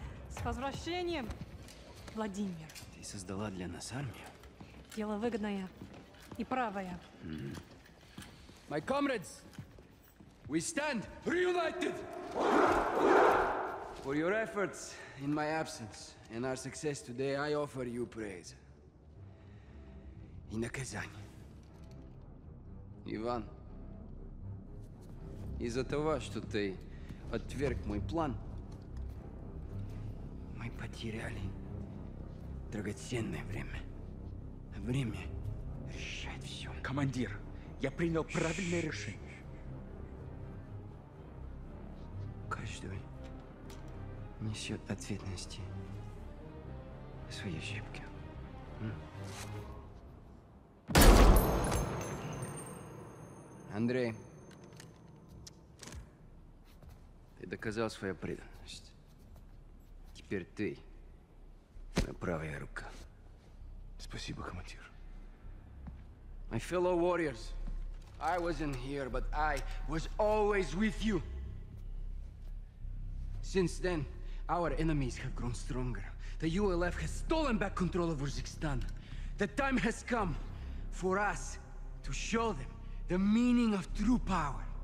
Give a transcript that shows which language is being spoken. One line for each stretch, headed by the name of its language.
Russian: С возвращением, Владимир. Ты создала для нас армию? Дело выгодное и правое. Mm-hmm.
English: My comrades, we stand reunited for your efforts in my absence and our success today. I offer you praise. In the Kazan, Ivan,
Russian: из-за того, что ты отверг мой план, мы потеряли драгоценное время. Время решает все. Командир. Я принял правильное решение. Каждый несет ответственности за свои ошибки. Андрей, ты доказал свою преданность. Теперь ты моя правая рука. Спасибо, командир.
English: My fellow warriors, I wasn't here, but I was always with you. Since then, our enemies have grown stronger. The ULF has stolen back control of Uzbekistan. The time has come for us to show them the meaning of true power.